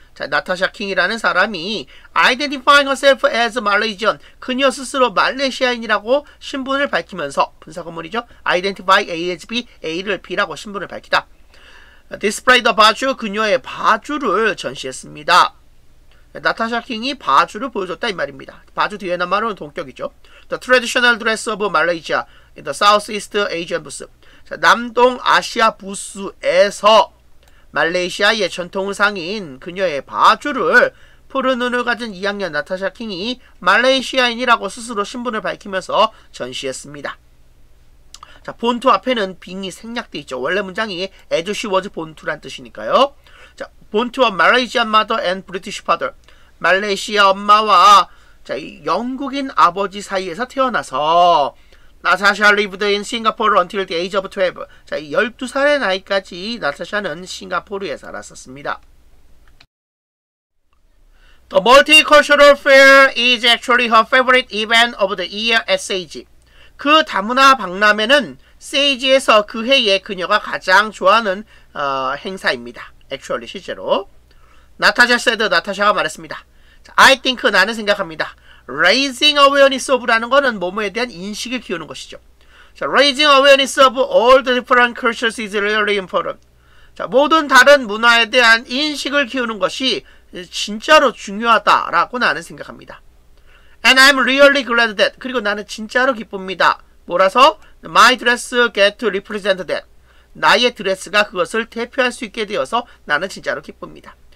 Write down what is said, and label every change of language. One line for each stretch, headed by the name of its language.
Korean: 자, 나타샤 킹이라는 사람이
English: identifying herself as Malaysian,
Korean: 그녀 스스로 말레이시아인이라고 신분을 밝히면서, 분사구문이죠?
English: identify A as B,
Korean: A를 B라고 신분을 밝히다.
English: display the
Korean: 바주, 그녀의 바주를 전시했습니다. 나타샤 킹이 바주를 보여줬다, 이 말입니다. 바주 뒤에 남은 말은 동격이죠.
English: The traditional dress of Malaysia in the Southeast Asian booth.
Korean: 자, 남동 아시아 부스에서 말레이시아의 전통의상인 그녀의 바주를 푸른 눈을 가진 2학년 나타샤 킹이 말레이시아인이라고 스스로 신분을 밝히면서 전시했습니다. 자, 본투 앞에는 빙이 생략되어 있죠. 원래 문장이 as she was 본투란 뜻이니까요. 자, 본투와 말레이시안 마더 앤 브리티시 파더, 말레이시아 엄마와 자, 영국인 아버지 사이에서 태어나서 나타샤
English: lived in Singapore until the age of 12.
Korean: 자, 12살의 나이까지 나타샤는 싱가포르에 살았었습니다.
English: The Multicultural Fair is actually her favorite event of the year at Sage.
Korean: 그 다문화 박람회는 세이지에서 그 해에 그녀가 가장 좋아하는 행사입니다.
English: Actually,
Korean: 실제로. 나타샤
English: said,
Korean: 나타샤가 말했습니다.
English: I think,
Korean: 나는 생각합니다.
English: Raising awareness of
Korean: 라는 거는 뭐뭐에 대한 인식을 키우는 것이죠.
English: 자, raising awareness of all the different cultures is really important.
Korean: 자, 모든 다른 문화에 대한 인식을 키우는 것이 진짜로 중요하다라고 나는 생각합니다.
English: And I'm really glad that.
Korean: 그리고 나는 진짜로 기쁩니다. 뭐라서?
English: My dress get to represent that.
Korean: 나의 드레스가 그것을 대표할 수 있게 되어서 나는 진짜로 기쁩니다.